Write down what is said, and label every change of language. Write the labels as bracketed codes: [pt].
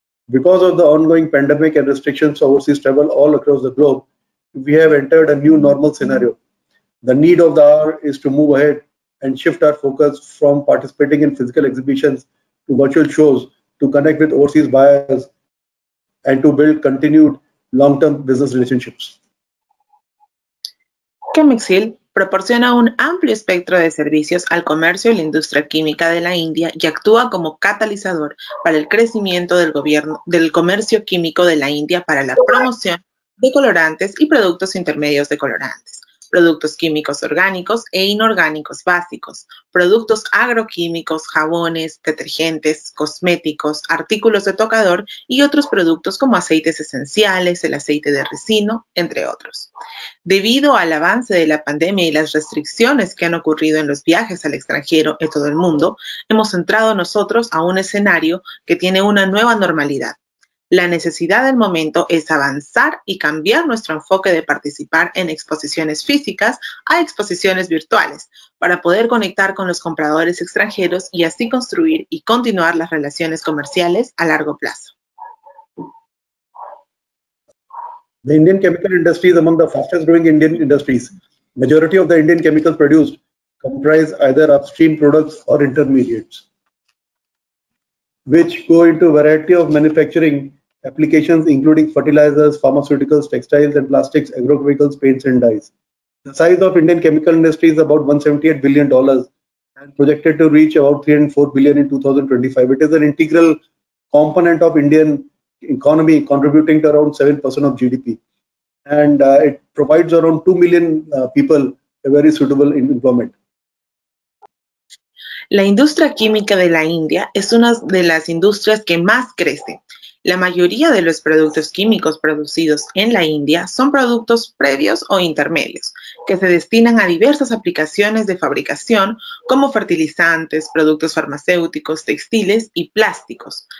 [en] Because of the ongoing pandemic and restrictions overseas travel all across the globe, we have entered a new normal scenario. The need of the hour is to move ahead and shift our focus from participating in physical exhibitions to virtual shows to connect with overseas buyers and to build continued long-term business relationships. [es] CEMEXIL proporciona un amplio espectro de servicios al comercio y la industria química de la India y actúa como catalizador para el crecimiento del gobierno del comercio químico de la India para la promoción de colorantes y productos intermedios de colorantes, productos químicos orgánicos e inorgánicos básicos, productos agroquímicos, jabones, detergentes, cosméticos, artículos de tocador y otros productos como aceites esenciales, el aceite de ricino, entre otros. Debido al avance de la pandemia y las restricciones que han ocurrido en los viajes al extranjero en todo el mundo, hemos entrado nosotros a un escenario que tiene una nueva normalidad. La necesidad del momento es avanzar y cambiar nuestro enfoque de participar en exposiciones físicas a exposiciones virtuales para poder conectar con los compradores extranjeros y así construir y continuar las relaciones comerciales a largo plazo. [en] The Indian chemical industry is among the fastest growing Indian industries. Majority of the Indian chemicals produced comprise either upstream products or intermediates, which go into a variety of manufacturing applications, including fertilizers, pharmaceuticals, textiles and plastics, agrochemicals, paints and dyes. The size of Indian chemical industry is about $178 billion and projected to reach about $304 billion in 2025. It is an integral component of Indian economy, contributing to around 7% of GDP. And it provides around 2 million people a very suitable employment. [es] La industria química de la India es una de las industrias que más crece. La mayoría de los productos químicos producidos en la India son productos previos o intermedios, que se destinan a diversas aplicaciones de fabricación, como fertilizantes, productos farmacéuticos, textiles y plásticos.